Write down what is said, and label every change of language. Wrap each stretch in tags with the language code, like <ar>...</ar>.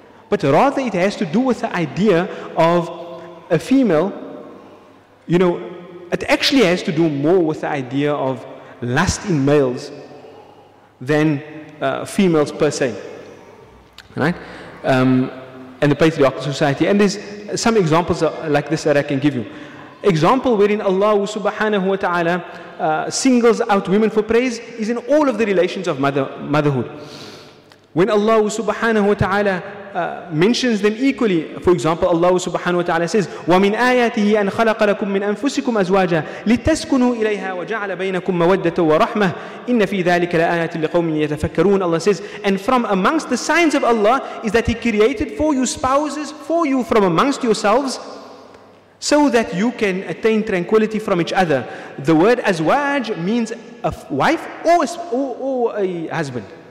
<en>But rather it has to do with the idea of a female, you know, it actually has to do more with the idea of lust in males than females per se, right? And the patriarchal society. And there's some examples like this that I can give you. Example wherein Allah subhanahu wa ta'ala singles out women for praise is in all of the relations of motherhood. When Allah subhanahu wa ta'ala mentions them equally, for example, Allah subhanahu wa ta'ala says,</en> <ar>وَمِنْ آيَاتِهِ أَنْ خَلَقَ لَكُمْ مِنْ أَنفُسِكُمْ أَزْوَاجًا لِتَسْكُنُوا إِلَيْهَا وَجَعْلَ بَيْنَكُمْ مَوَدَّةً وَرَحْمَةً إِنَّ فِي ذَلِكَ لَآيَاتٍ لِقَوْمٍ يَتَفَكَّرُونَ.</ar> <en>Allah says, and from amongst the signs of Allah is that He created for you spouses for you from amongst yourselves so that you can attain tranquility from each other. The word azwaj means a wife or a husband.</en>